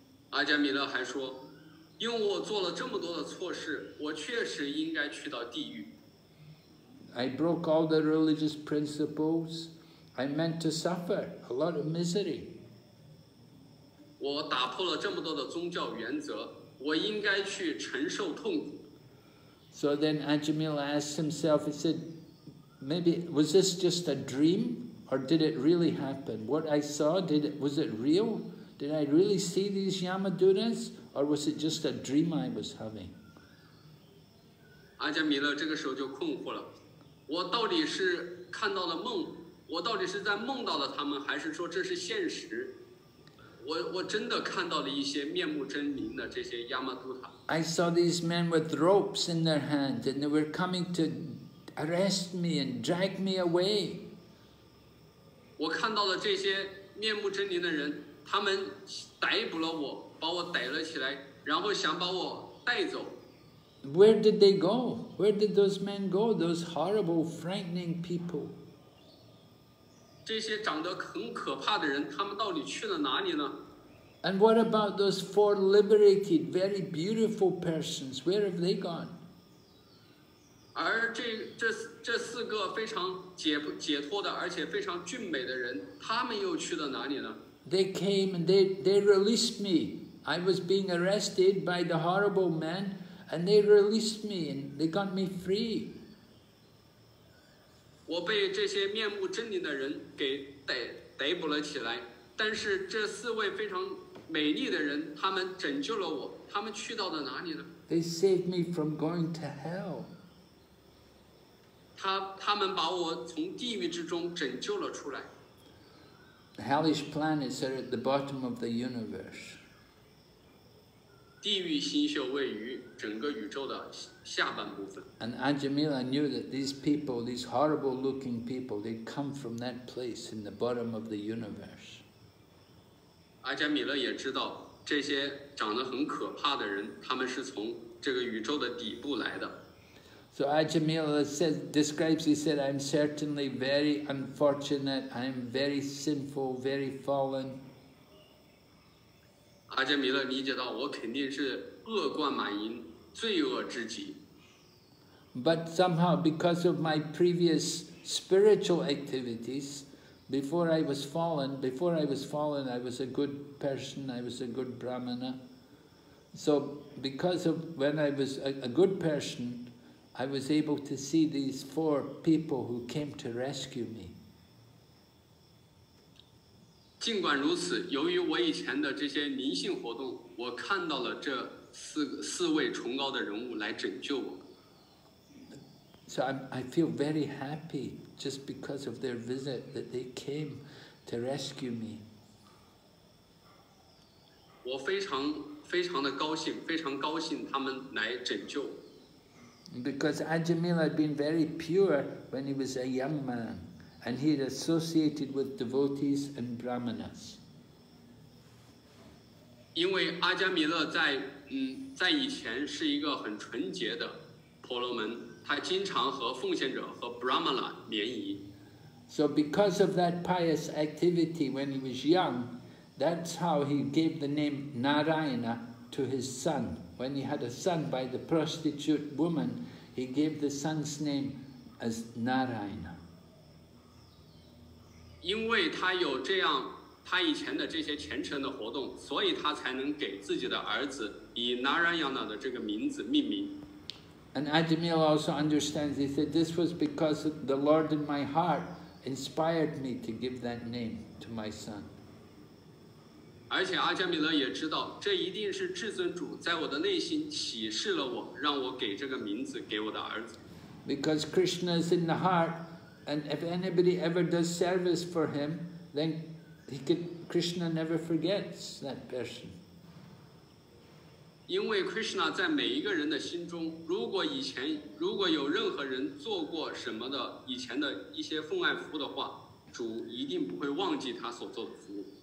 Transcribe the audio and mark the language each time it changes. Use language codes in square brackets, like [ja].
[zh] 阿加米勒还说，因为我做了这么多的错事，我确实应该去到地狱。 [en] I broke all the religious principles. I meant to suffer a lot of misery. [zh] 我打破了这么多的宗教原则，我应该去承受痛苦。 [en] So then Ajamila asked himself, he said, maybe, was this just a dream? Or did it really happen? What I saw, was it real? Did I really see these Yamadutas? Or was it just a dream I was having? [zh] Ajamila 这个时候就困惑了。我到底是看到了梦，我到底是在梦到了他们，还是说这是现实？我真的看到了一些面目狰狞的这些亚玛杜塔。 [en] I saw these men with ropes in their hands, and they were coming to arrest me and drag me away. [zh] 我看到了这些面目狰狞的人，他们逮捕了我，把我逮了起来，然后想把我带走。 [en] Where did they go? Where did those men go? Those horrible, frightening people. [zh] 这些长得很可怕的人，他们到底去了哪里呢？ [en] And what about those four liberated, very beautiful persons? Where have they gone? [zh] 而这四个非常解脱的，而且非常俊美的人，他们又去了哪里呢？ [en] They came and they released me. I was being arrested by the horrible men. And they released me, and they got me free. [zh] 我被这些面目狰狞的人给逮捕了起来，但是这四位非常美丽的人，他们拯救了我。他们去到了哪里呢？ [en] They saved me from going to hell. [zh] 他们把我从地狱之中拯救了出来。 [en] The hellish planets are at the bottom of the universe. [zh] 地狱星宿位于整个宇宙的下半部分。 [en] And Ajamila knew that these people, these horrible-looking people, they come from that place in the bottom of the universe. [zh] Ajamila 也知道这些长得很可怕的人，他们是从这个宇宙的底部来的。 [en] So Ajamila describes. He said, "I'm certainly very unfortunate. I'm very sinful, very fallen." [zh] 阿加米勒理解到，我肯定是恶贯满盈，罪恶至极。 [en] But somehow, because of my previous spiritual activities, before I was fallen, I was a good person, I was a good brahmana. So, because of when I was a good person, I was able to see these four people who came to rescue me. [zh] 尽管如此，由于我以前的这些灵性活动，我看到了这四位崇高的人物来拯救我。 [en] So I feel very happy just because of their visit that they came to rescue me. [zh] 我非常非常的高兴，非常高兴他们来拯救。 [en] Because Ajamila had been very pure when he was a young man. And he had associated with devotees and brahmanas. [zh] 因为阿加米勒在以前是一个很纯洁的婆罗门，他经常和奉献者和 brahmana 联谊。 [en] So because of that pious activity when he was young, that's how he gave the name Narayana to his son. When he had a son by the prostitute woman, he gave the son's name as Narayana. [zh] 因为他有这样他以前的这些虔诚的活动，所以他才能给自己的儿子以 Narayana 的这个名字命名。 [en] And Ajamila also understands, he said, this was because the Lord in my heart inspired me to give that name to my son. [zh] 而且阿加米勒也知道，这一定是至尊主在我的内心启示了我，让我给这个名字给我的儿子。 [en] Because Krishna is in the heart,And if anybody ever does service for him, then Krishna never forgets that person. [zh] 因为 Krishna 在每一个人的心中，如果以前如果有任何人做过什么的以前的一些奉爱服务的话，主一定不会忘记他所做的服务。